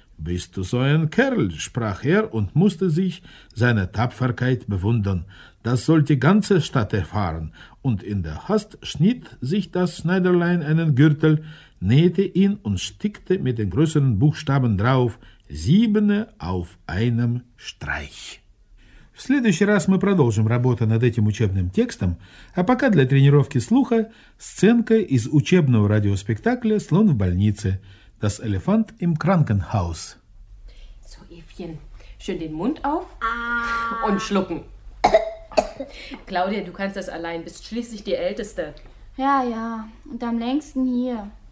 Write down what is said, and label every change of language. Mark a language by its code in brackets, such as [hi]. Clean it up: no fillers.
[de] »Bist du so ein Kerl«, sprach er und musste sich seine Tapferkeit bewundern. Das soll die ganze Stadt erfahren. Und in der Hast schnitt sich das Schneiderlein einen Gürtel, nähte ihn und stickte mit den größeren Buchstaben drauf 7 auf einem Streich. [ru] В следующий раз мы продолжим работу над этим учебным текстом, а пока для тренировки слуха сценка из учебного радиоспектакля «Слон в больнице». [de] Das Elefant im Krankenhaus. So, Evchen, schön den Mund auf und schlucken. Claudia, du kannst das allein, bist schließlich die Älteste. Ja, ja, und am längsten hier.